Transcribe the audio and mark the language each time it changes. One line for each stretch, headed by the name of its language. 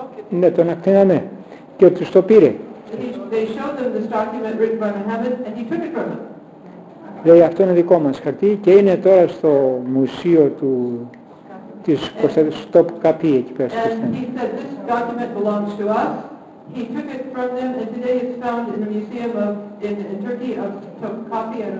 Greek: Ναι, τον ακτίναμε και τους το πήρε.
English: They showed them this document written by Mohammed, and he took it from them.
Greek: Λέει αυτό είναι δικό μας χαρτί και είναι τώρα στο μουσείο του της Κωνσταντινούπολης, στο Καπί εκεί πέρα.
English: And he said this document belongs to us. He took it from them and today it's found in the museum of in Turkey of Topkapi.